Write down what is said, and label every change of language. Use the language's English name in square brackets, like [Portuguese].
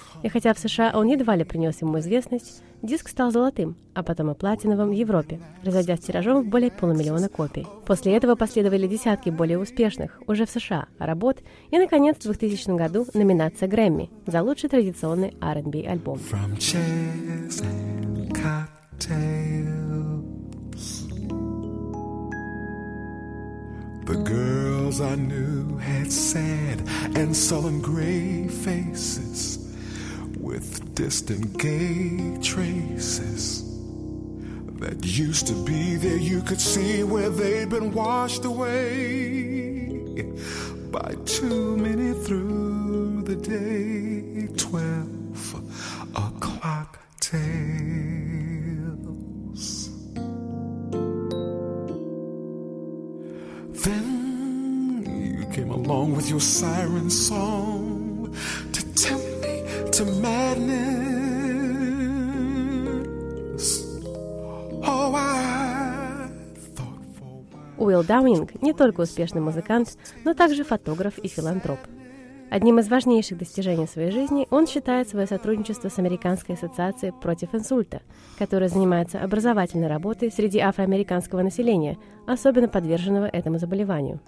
[Russian] И хотя в США он едва ли принес ему известность, диск стал золотым, а потом и платиновым в Европе, разойдясь тиражом в более 500 000 копий. После этого последовали десятки более успешных, уже в США, работ и, наконец, в 2000 году номинация Грэмми за лучший традиционный R&B альбом. [English] The girls I knew had sad and sullen gray faces with distant gay traces that used to be there. You could see where they'd been washed away by too many through the day. 12 o'clock tales. Then you came along with your siren song to tempt me to madness. Oh, I thought for once. [Russian] Уилл Даунинг не только успешный музыкант, но также фотограф и филантроп. Одним из важнейших достижений своей жизни он считает свое сотрудничество с Американской ассоциацией против инсульта, которая занимается образовательной работой среди афроамериканского населения, особенно подверженного этому заболеванию.